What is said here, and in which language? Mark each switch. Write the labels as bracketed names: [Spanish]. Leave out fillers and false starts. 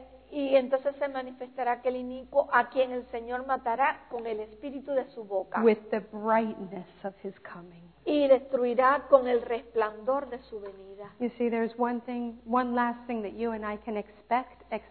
[Spanish] Y entonces se manifestará aquel inicuo a quien el Señor matará con el espíritu de su boca. [English] With the brightness of his coming. [Spanish] Y destruirá con el resplandor de su venida. [English] You see, there's one thing, one last thing that you and I can expect.